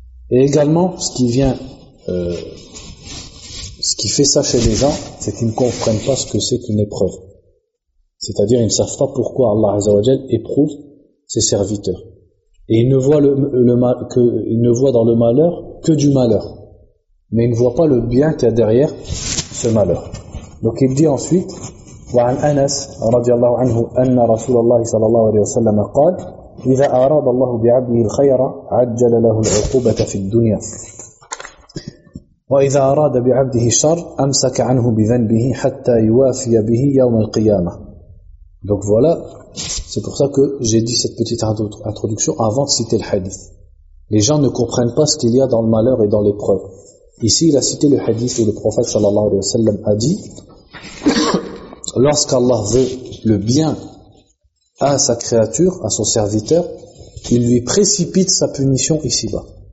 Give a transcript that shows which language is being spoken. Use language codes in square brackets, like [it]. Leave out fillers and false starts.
[fr] Et également, ce qui fait ça chez les gens, c'est qu'ils ne comprennent pas ce que c'est qu'une épreuve. C'est-à-dire, ils ne savent pas pourquoi Allah Azza wa Jalla éprouve ses serviteurs. Et ils ne voient dans le malheur que du malheur. Mais ils ne voient pas le bien qu'il y a derrière ce malheur. Donc il dit ensuite, [ar] وعن أنس رضي الله عنه أن رسول الله صلى الله عليه وسلم قال إذا أراد الله بعبده الخير عجل له العقوبة في الدنيا وإذا أراد بعبده الشر أمسك عنه بذنبه حتى يوافي به يوم القيامة. [fr] Donc voilà, c'est pour ça que j'ai dit cette petite introduction avant de citer le hadith. Les gens ne comprennent pas ce qu'il y a dans le malheur et dans l'épreuve. Ici, il a cité le hadith où le prophète sallallahu alayhi wa sallam a dit lorsqu'Allah veut le bien à sa créature, à son serviteur, il lui précipite sa punition ici-bas.